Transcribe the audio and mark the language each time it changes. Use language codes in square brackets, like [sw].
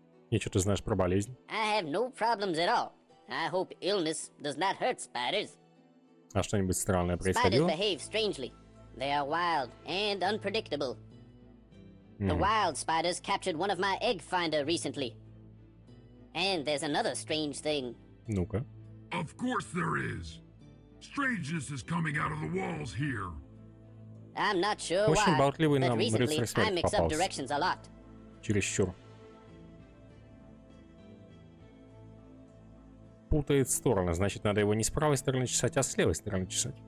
[ru] И что ты знаешь про болезнь? [en] I have no problems at all. I hope illness does not hurt spiders. [ru] А что-нибудь странное происходило? [en] Spiders behave strangely. They are wild and unpredictable. The wild spiders captured one of my egg finder recently. And there's another strange thing. [ru] Ну-ka. [en] Of course there is. Strangeness is coming out of the walls here. I'm not sure why, but recently I mix up directions a lot. [ru] Чересчур. Путает стороны, значит, надо его не с правой стороны чесать, а с левой стороны чесать.